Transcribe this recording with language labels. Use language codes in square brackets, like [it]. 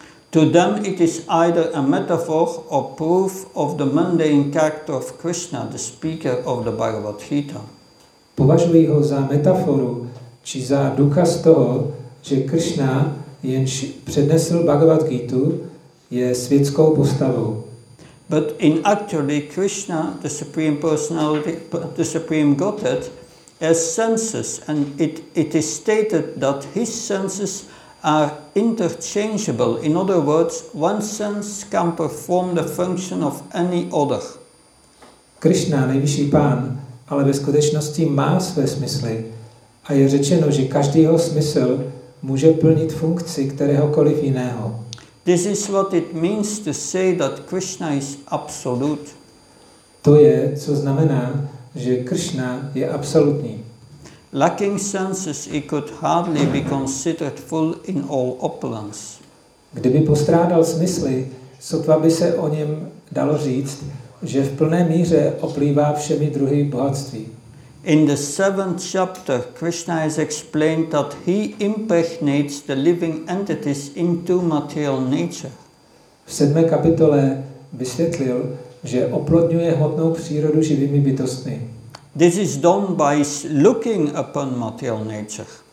[en] To them it is either a metaphor or proof of the mundane character of Krishna, the speaker of the Bhagavad Gita. [cs] Považují ho za metaforu, či za důkaz toho, že Krishna, jenž přednesl Bhagavad Gita, je světskou postavou. [en] But in actually Krishna, the Supreme Personality, the Supreme Godhead, has senses, and it is stated that his senses are interchangeable. In other words, one sense can perform the function of any other. [cs] Krishna, nejvyšší pán, ale ve skutečnosti má své smysly a je řečeno, že každý jeho smysl může plnit funkci kteréhokoliv jiného. [en] This is what it means to say that Krishna is absolute. [cs] To je, co znamená, že Krishna je absolutní. [en] Lacking senses, he could hardly be considered full in all opulence. [cs] Kdyby postrádal smysly, sotva by se o něm dalo říct, že v plné míře oplývá všemi druhy bohatství. [en] In the seventh chapter, Krishna has explained that he impregnates the living entities into material nature. [cs] V 7. kapitole vysvětlil, že oplodňuje hmotnou přírodu živými bytostmi. [en] This is done by looking upon material nature.